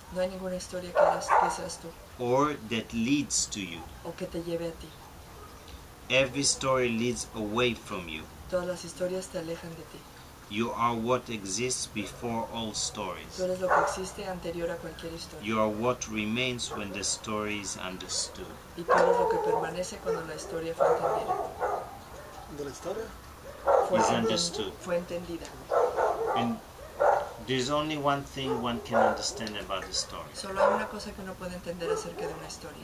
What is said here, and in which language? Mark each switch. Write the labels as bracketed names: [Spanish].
[Spanish] No hay ninguna historia que seas tú. [English] Or that leads to you. [Spanish] O que te lleve a ti. [English] Every story leads away from you. [Spanish] Todas las historias te alejan de ti. [English] You are what exists before all stories. [Spanish] Tú eres lo que existe anterior a cualquier historia. [English] You are what remains when the story is understood. [Spanish] Y tú eres lo que permanece cuando la historia fue entendida. ¿De la historia? [English] Is understood. [Spanish] Fue entendida. [English] And there's only one thing one can understand about the story. [Spanish] Solo hay una cosa que uno puede entender acerca de una historia.